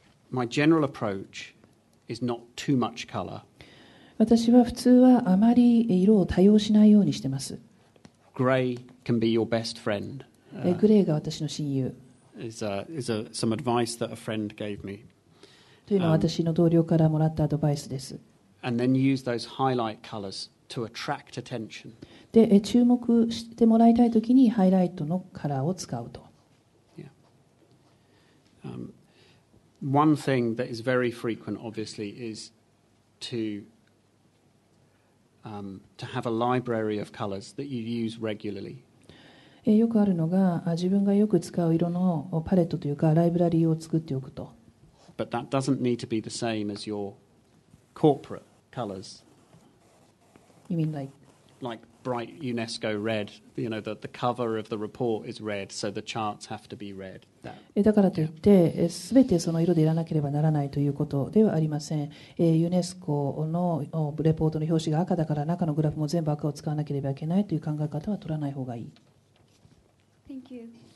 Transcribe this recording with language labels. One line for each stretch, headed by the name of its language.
English: My general approach is not too much color.
Japanese: 私は普通はあまり色を多用しないようにしてます。
English: Gray can be your best friend.
Japanese: グレーが私の親友。
English: Is some advice that a friend gave me.
Japanese: というのは私の同僚からもらったアドバイスです。
English: And then use those highlight colors to attract attention.
Japanese: で、注目してもらいたいときにハイライトのカラーを使うと。
English: Yeah. One thing that is very frequent, obviously, is to have a library of colors that you use regularly.
Japanese: よくあるのが、自分がよく使う色のパレットというかライブラリーを作っておくと。
English: But that doesn't need to be the same as your corporate. Colors. You mean like? Like bright UNESCO red. You know, the cover of the report is red, so the charts have to be red.
Japanese: だからといって、すべてその色でいらなければならないということではありません。ユネスコのレポートの表紙が赤だから、中のグラフも全部赤を使わなければいけないという考え方は取らない方がいい。
English: Thank you.